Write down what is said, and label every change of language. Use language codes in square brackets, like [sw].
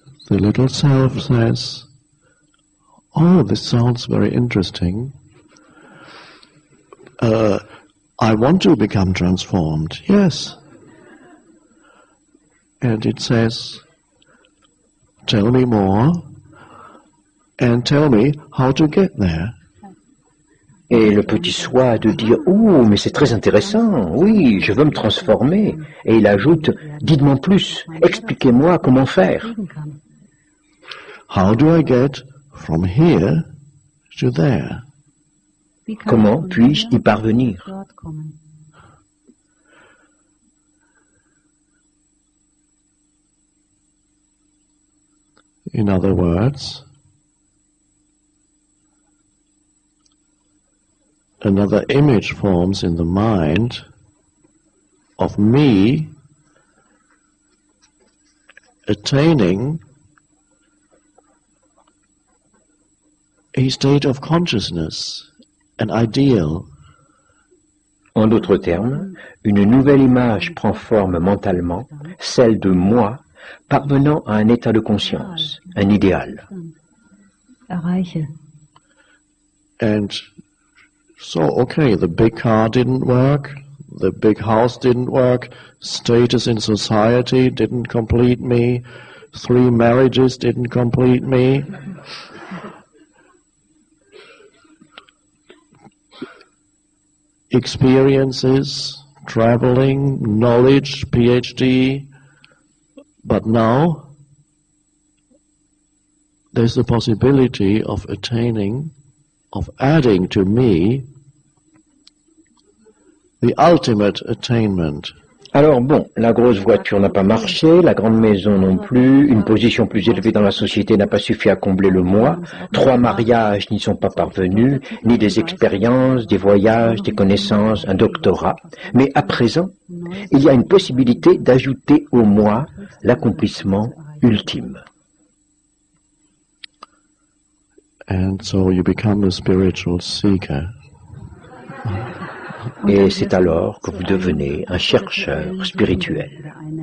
[en] The little self says, oh, this sounds very interesting. I want to become transformed, yes. And it says, tell me more and tell me how to get there. [fr] Et le petit soi de dire, oh, mais c'est très intéressant, oui, je veux me transformer. Et il ajoute, dites-moi plus, expliquez-moi comment faire. [en] How do I get from here to there? [fr] Comment puis-je y parvenir? [en] In other words, another image forms in the mind of me attaining a state of consciousness, an ideal. [fr] En d'autres termes, une nouvelle image prend forme mentalement, celle de moi parvenant à un état de conscience, un idéal. [de] Erreiche. [en] And so, okay, the big car didn't work, the big house didn't work, status in society didn't complete me, three marriages didn't complete me. Experiences, traveling, knowledge, PhD, but now there's the possibility of attaining, of adding to me the ultimate attainment. [fr] Alors bon, la grosse voiture n'a pas marché, la grande maison non plus, une position plus élevée dans la société n'a pas suffi à combler le moi, trois mariages n'y sont pas parvenus, ni des expériences, des voyages, des connaissances, un doctorat. Mais à présent, il y a une possibilité d'ajouter au moi l'accomplissement ultime. [en] And so you become a spiritual seeker. [fr] Et c'est alors que vous devenez un chercheur spirituel.